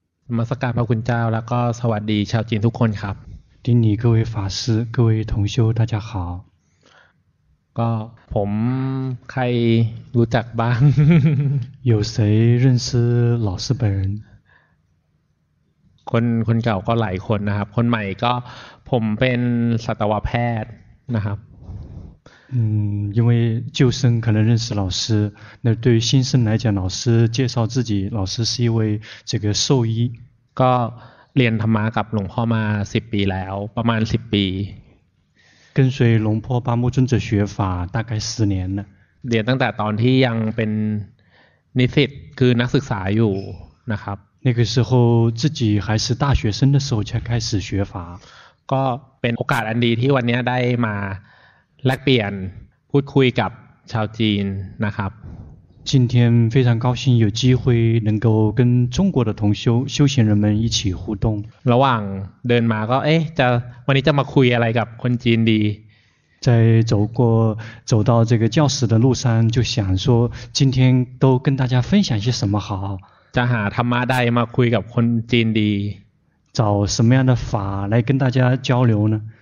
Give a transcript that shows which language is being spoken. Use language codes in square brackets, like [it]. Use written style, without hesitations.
[th] นมัสการพระคุณเจ้าแล้วก็สวัสดีชาวจีนทุกคนครับ ที่นี่ [zh] 各位法师各位同修大家好 [th] ก็ผมใครรู้จักบ้าง [zh] 有谁认识老师本人 [th] คนเก่าก็หลายคนนะครับคนใหม่ก็ผมเป็นสัตวแพทย์นะครับ [zh] 因为旧生可能认识老师，那对于新生来讲，老师介绍自己，老师是一位这个兽医。 [th] ก็เรียนธรรมะกับหลวงพ่อมา10ปีแล้วประมาณ10ปี [zh] 跟随龙婆巴木尊者学法大概十年了。 [th] เรียนตั้งแต่ตอนที่ยังเป็นนิสิตคือนักศึกษาอยู่นะครับ [zh] 那个时候自己还是大学生的时候才开始学法。 [th] ก็เป็นโอกาสอันดีที่วันนี้ได้มาแลกเปลี่ยนพูดคุยกับชาวจีนนะครับ [zh] 今天非常高兴有机会能够跟中国的同修修行人们一起互动 [th] ระหว่างเดินมาก็เอ๊ะจะวันนี้จะมาคุยอะไรกับคนจีนดี [zh] 在走到这个教室的路上就想说今天都跟大家分享些什么好 [th] จะหาธรรมะใดมาคุยกับคนจีนดี [zh] 找什么样的法来跟大家交流呢